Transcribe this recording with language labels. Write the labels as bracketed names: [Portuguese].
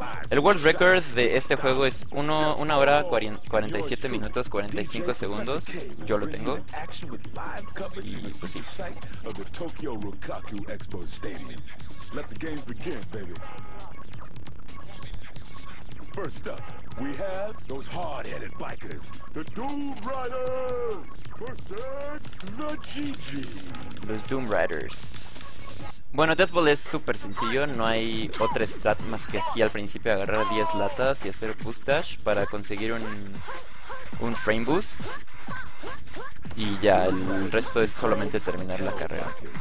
[Spanish] El world record de este juego es 1 hora 47 minutos 45 segundos. Yo lo tengo. Y pues sí. [English] First up, we have those hard-headed bikers, the Doom Riders versus the GG. [Spanish] Los Doom Riders. Bueno, Death Ball es súper sencillo, no hay otra strat más que aquí al principio agarrar 10 latas y hacer boost dash para conseguir un frame boost. Y ya, el resto es solamente terminar la carrera.